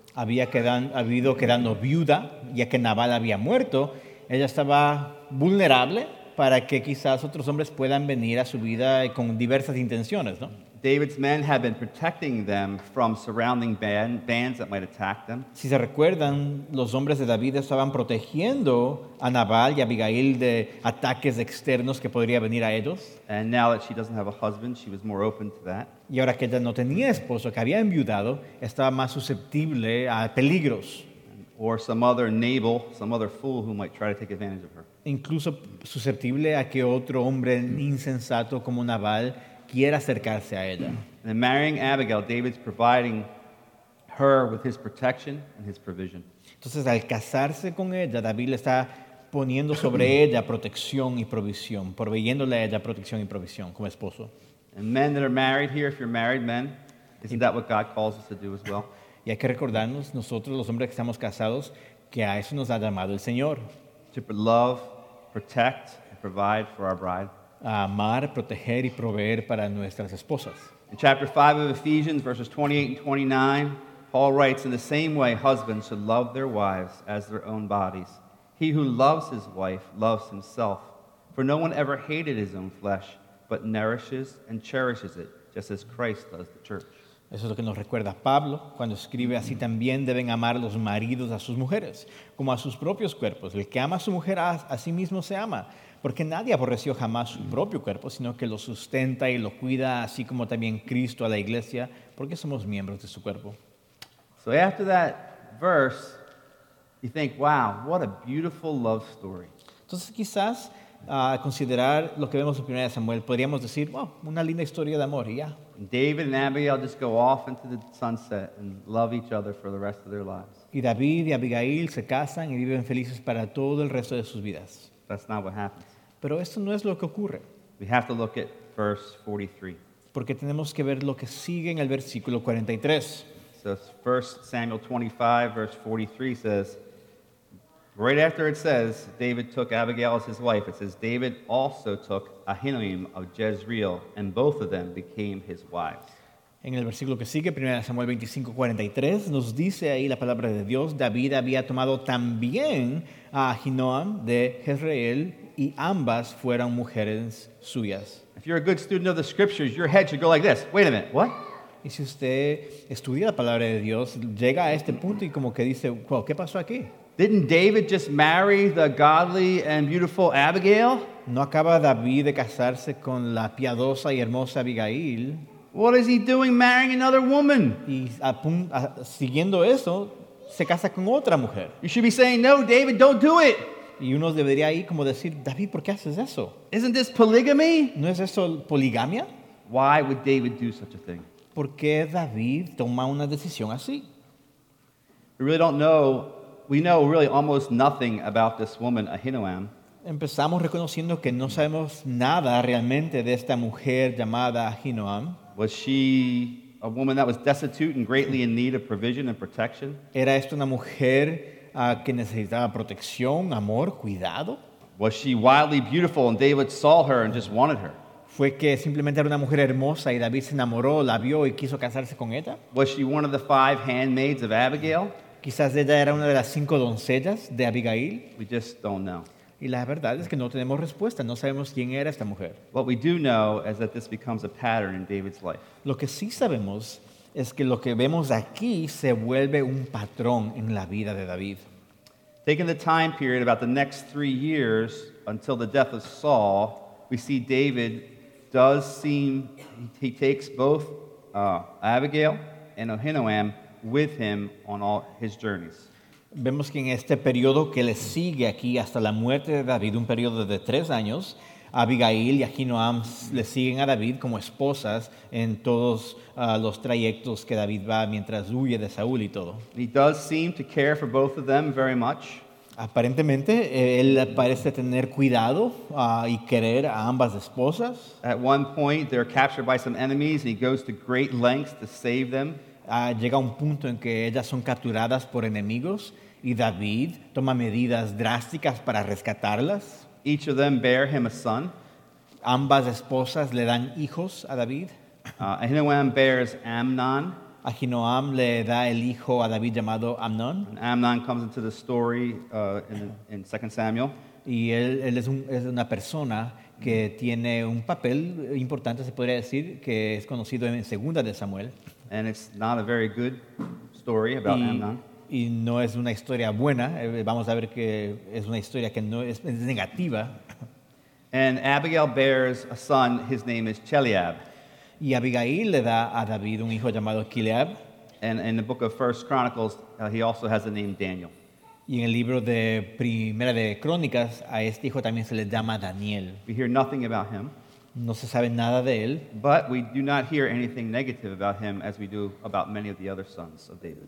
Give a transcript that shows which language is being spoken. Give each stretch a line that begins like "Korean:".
Spanish: Había quedado viuda, ya que Nabal había muerto. Ella estaba vulnerable para que quizás otros hombres puedan venir a su vida con diversas intenciones, ¿no?
English: David's men had been protecting them from surrounding bands that might attack them.
Spanish: Si se recuerdan, los hombres de David estaban protegiendo a Nabal y a Abigail de ataques externos que podría venir a ellos.
English: And now that she doesn't have a husband, she was more open to that.
Spanish: Y ahora que ella no tenía esposo, que había enviudado, estaba más susceptible a peligros.
English: Or some other nabal, some other fool who might try to take advantage of her.
Spanish: Incluso susceptible a que otro hombre insensato como Nabal quiera acercarse a ella.
English: And marrying Abigail, David's providing her with his protection and his provision.
Spanish: Entonces, al casarse con ella, David le está poniendo sobre ella protección y provisión, proveyéndole a ella protección y provisión como esposo.
English: And men that are married here, if you're married men, isn't that what God calls us to do as well?
Spanish: Y hay que recordarnos, nosotros los hombres que estamos casados, que a eso nos ha llamado el Señor.
English: To love, protect, and provide for our bride.
Spanish: A amar, proteger y proveer para nuestras esposas.
English: In chapter 5 of Ephesians, verses 28 and 29, Paul writes, in the same way, husbands should love their wives as their own bodies. He who loves his wife loves himself. For no one ever hated his own flesh, but nourishes and cherishes it, just as Christ does the church.
Spanish: Eso es lo que nos recuerda Pablo cuando escribe, así también deben amar los maridos a sus mujeres, como a sus propios cuerpos. El que ama a su mujer a sí mismo se ama, porque nadie aborreció jamás su propio cuerpo, sino que lo sustenta y lo cuida, así como también Cristo a la iglesia, porque somos miembros de su cuerpo.
English: So after that verse, you think, wow, what a beautiful love story.
Spanish: Entonces quizás considerar lo que vemos en 1 Samuel, podríamos decir, wow, una linda historia de amor y ya.
English: David and Abigail just go off into the sunset and love each other for the rest of their lives.
Spanish: Y David y Abigail se casan y viven felices para todo el resto de sus vidas.
English: That's not what happens.
Spanish: Pero esto no es lo que ocurre.
English: We have to look at verse 43.
Spanish: Porque tenemos que ver lo que sigue en el versículo 43.
English: So 1 Samuel 25, verse 43 says, right after it says, David took Abigail as his wife, it says, David also took Ahinoam of Jezreel, and both of them became his wives.
Spanish: En el versículo que sigue, 1 Samuel 25:43, nos dice ahí la palabra de Dios, David había tomado también a Ahinoam de Jezreel, y ambas fueron mujeres suyas.
English: If you're a good student of the scriptures, your head should go like this. Wait a minute, what?
Spanish: Y si usted estudia la palabra de Dios, llega a este punto y como que dice,
English: well,
Spanish: ¿qué pasó aquí?
English: Didn't David just marry the godly and beautiful Abigail?
Spanish: ¿No acaba David de casarse con la piadosa y hermosa Abigail?
English: What is he doing marrying another woman?
Spanish: Y siguiendo eso, se casa con otra mujer.
English: You should be saying, no, David, don't do it.
Spanish: Y uno debería ahí como decir, David, ¿por qué haces eso?
English: Isn't this polygamy?
Spanish: ¿No es eso poligamia?
English: Why would David do such a thing?
Spanish: ¿Por qué David toma una decisión así?
English: We really don't know. We know really almost nothing about this woman, Ahinoam.
Spanish: Empezamos reconociendo que no sabemos nada realmente de esta mujer llamada Ahinoam.
English: Was she a woman that was destitute and greatly in need of provision and protection?
Spanish: ¿Era esto una mujer que necesitaba protección, amor, cuidado?
English: Was she wildly beautiful and David saw her and just wanted her?
Spanish: ¿Fue que simplemente era una mujer hermosa y David se enamoró, la vio y quiso casarse con ella?
English: Was she one of the five handmaids of Abigail?
Spanish: Quizás ella era una de las cinco doncellas de Abigail.
English: We just don't know.
Spanish: Y la verdad es que no tenemos respuesta. No sabemos quién era esta mujer.
English: What we do know is that this becomes a pattern in David's life.
Spanish: Lo que sí sabemos es que lo que vemos aquí se vuelve un patrón en la vida de David.
English: Taking the time period about the next 3 years until the death of Saul, we see David does seem he takes both Abigail and Ahinoam with him on all his journeys.
Spanish: Vemos que en este periodo que le sigue aquí hasta la muerte de David, un periodo de 3 años, Abigail y Ahinoam le siguen a David como esposas en todos los trayectos que David va mientras huye de Saúl y todo.
English: He does seem to care for both of them very much.
Spanish: Aparentemente, él parece tener cuidado y querer a ambas esposas.
English: At one point, they're captured by some enemies and he goes to great lengths to save them.
Spanish: Llega un punto en que ellas son capturadas por enemigos y David toma medidas drásticas para rescatarlas.
English: Each of them bear him a son.
Spanish: Ambas esposas le dan hijos a David.
English: Ahinoam bears Amnon.
Spanish: Ahinoam le da el hijo a David llamado Amnon.
English: And Amnon comes into the story in 2 Samuel.
Spanish: Y él es una persona que tiene un papel importante, se podría decir, que es conocido en 2 de Samuel.
English: And it's not a very good story about Amnon.
Spanish: Y no es una historia buena. Vamos a ver que es una historia que no es, es negativa.
English: And Abigail bears a son. His name is Chileab.
Spanish: Y Abigail le da a David un hijo llamado Kileab.
English: And in the book of 1 Chronicles, he also has the name Daniel.
Spanish: Y en el libro de Primera de Crónicas, a este hijo también se le llama Daniel.
English: We hear nothing about him.
Spanish: No se sabe nada de él.
English: But we do not hear anything negative about him as we do about many of the other sons of David.